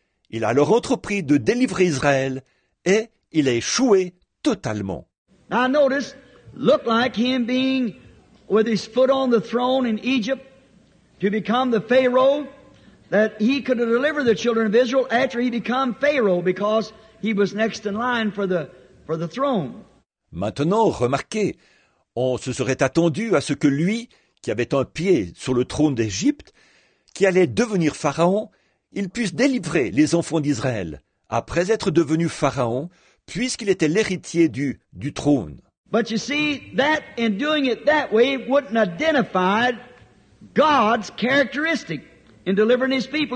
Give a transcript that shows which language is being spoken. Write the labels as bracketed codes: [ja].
[fr] Il a alors entrepris de délivrer Israël et il a échoué totalement. [en] Now notice, look like him being with his foot on the throne in Egypt to become the Pharaoh, that he could deliver the children of Israel after he became Pharaoh because he was next in line for the throne. [fr] Maintenant, remarquez, on se serait attendu à ce que lui, qui avait un pied sur le trône d'Égypte, qui allait devenir pharaon, il puisse délivrer les enfants d'Israël après être devenu pharaon, puisqu'il était l'héritier du trône. [en] But you see, that in doing it that way wouldn't identify God's characteristic in delivering his people.